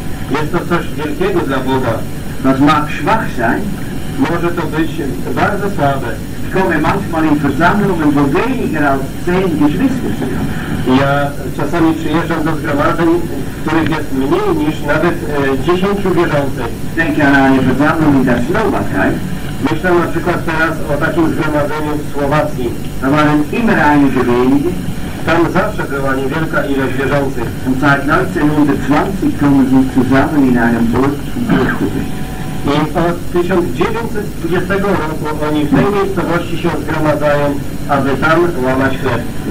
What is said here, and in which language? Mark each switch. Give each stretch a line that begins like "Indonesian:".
Polish: Jest to coś wielkiego dla Boga. może to być bardzo słabe.
German: Komme manchmal in Versammlungen, wo weniger als 10 Geschwister sind.
Polish: Ja czasami przyjeżdżam do zgromadzeń, w których jest mniej niż nawet 10 wierzących.
German: Denke an eine Versammlung in der Slowakei.
Polish: Myślę na przykład teraz o takim zgromadzeniu w Słowacji.
German: Da waren immer einige wenige.
Polish: Tam zawsze była niewielka ilość wierzących.
German: Und seit 1920 kommen sie zusammen in einem Volkskirchhof.
Polish: I od 1920 roku oni w tej miejscowości się zgromadzają, aby tam łamać chleb.